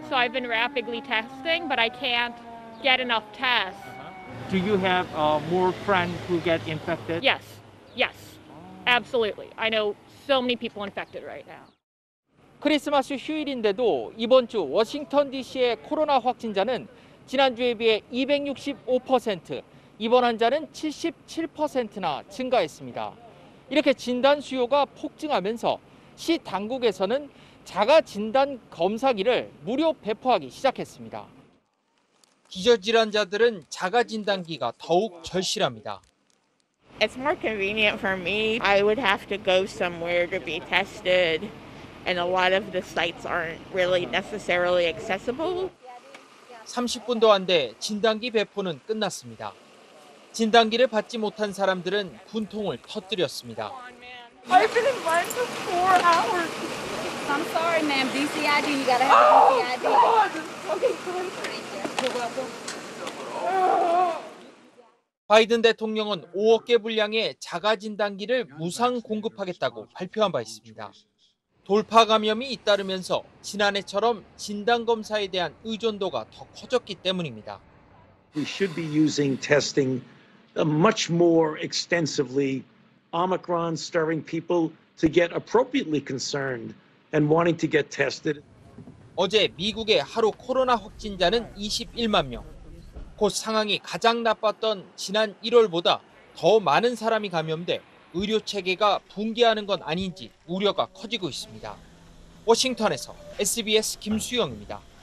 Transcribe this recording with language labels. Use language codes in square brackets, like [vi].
[en] So I've been rapidly testing, but I can't get enough tests. Do you have more friends who get infected? Yes, yes, absolutely. I know so many people infected right now. [ko] 크리스마스 휴일인데도 이번 주 워싱턴 DC의 코로나 확진자는 지난주에 비해 265%, 입원 환자는 77%나 증가했습니다. 이렇게 진단 수요가 폭증하면서 시 당국에서는 자가 진단 검사기를 무료 배포하기 시작했습니다. 기저질환자들은 자가 진단기가 더욱 절실합니다. [en] It's more convenient for me. I would have to go somewhere to be tested. And a lot of the sites aren't really necessarily accessible. [ko] 30분도 안 돼 진단기 배포는 끝났습니다. 진단기를 받지 못한 사람들은 분통을 터뜨렸습니다. [en] I've been in line for 4 hours. I'm sorry, ma'am. DC ID. You gotta have DC ID. Okay. [ko] 바이든 대통령은 5억 개 분량의 자가 진단기를 무상 공급하겠다고 발표한 바 있습니다. 돌파 감염이 잇따르면서 지난해처럼 진단 검사에 대한 의존도가 더 커졌기 때문입니다. [en] We should be using testing much more extensively. Omicron stirring people to get appropriately concerned and wanting to get tested. [ko] 어제 미국의 하루 코로나 확진자는 21만 명. 곧 상황이 가장 나빴던 지난 1월보다 더 많은 사람이 감염돼 의료 체계가 붕괴하는 건 아닌지 우려가 커지고 있습니다. 워싱턴에서 SBS 김수영입니다.